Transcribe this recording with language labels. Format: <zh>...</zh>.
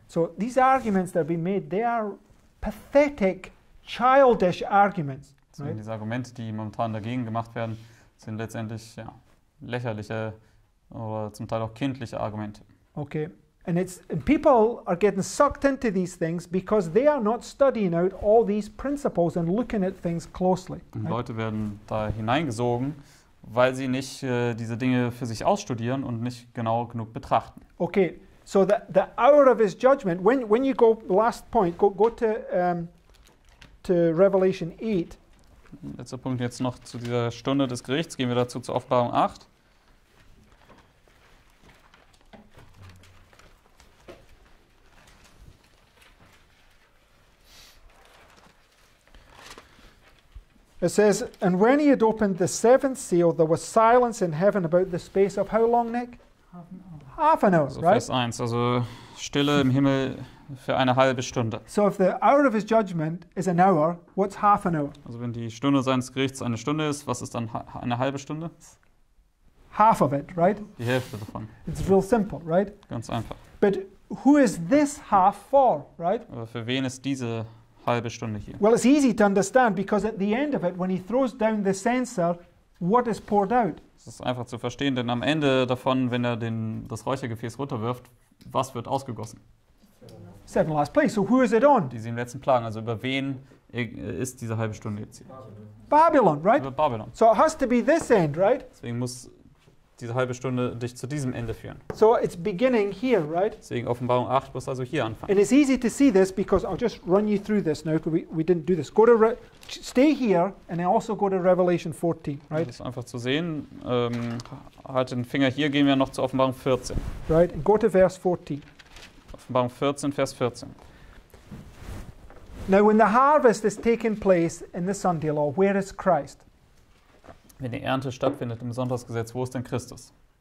<en>So these arguments that are being made, they are pathetic, childish arguments. Right?</en> <de>Diese Argumente, die momentan dagegen gemacht werden, sind letztendlich ja, lächerliche oder zum Teil auch kindliche Argumente.</de> <en>Okay, and it's and people are getting sucked into these things because they are not studying out all these principles and looking at things closely. Right?</en> <de>Leute werden da hineingesogen, weil sie nicht diese Dinge für sich ausstudieren und nicht genau genug betrachten.</de> <en>Okay, so the hour of his judgment. When you go last point, go to Revelation 8.</en> <de>Letzter Punkt jetzt noch zu dieser Stunde des Gerichts. Gehen wir dazu zur Offenbarung 8.</de> <en>It says, and when he had opened the seventh seal, there was silence in heaven about the space of how long, Nick? Half an hour. Half an hour, right?</en> <de>Vers 1, also Stille im Himmel für eine halbe Stunde.</de> <en>So if the hour of his judgment is an hour, what's half an hour?</en> <de>Also wenn die Stunde seines Gerichts eine Stunde ist, was ist dann eine halbe Stunde?</de> <en>Half of it, right?</en> <de>Die Hälfte davon.</de> <en>It's real simple, right?</en> <de>Ganz einfach.</de> <en>But who is this half for, right?</en> <de>Aber für wen ist diese halbe Stunde hier?</de> <en>Well, it's easy to understand because at the end of it, when he throws down the censer, what is poured out?</en> <de>Es ist einfach zu verstehen, denn am Ende davon, wenn er das Räuchergefäß runterwirft, was wird ausgegossen?</de> <en>Seven last plagues. So who is it on?</en> <de>Die sieben letzten Plagen. Also über wen ist diese halbe Stunde jetzt hier?</de> <en>Babylon, right?</en> <de>Über Babylon.</de> <en>So it has to be this end, right?</en> <de>Deswegen muss diese halbe Stunde dich zu diesem Ende führen.</de> <en>So it's beginning here, right?</en> <de>Deswegen Offenbarung 8 muss also hier anfangen.</de> <en>And it's easy to see this because I'll just run you through this now because we didn't do this. Go to stay here and then also go to Revelation 14, right?</en> <de>Das ist einfach zu sehen. Halt den Finger hier, gehen wir noch zu Offenbarung 14.</de> <en>Right, go to verse 14.</en> <de>Offenbarung 14, Vers 14.</de> <en>Now when the harvest is taking place in the Sunday law, where is Christ?</en> <de>Wenn die Ernte stattfindet im Sonntagsgesetz, wo ist denn Christus?</de>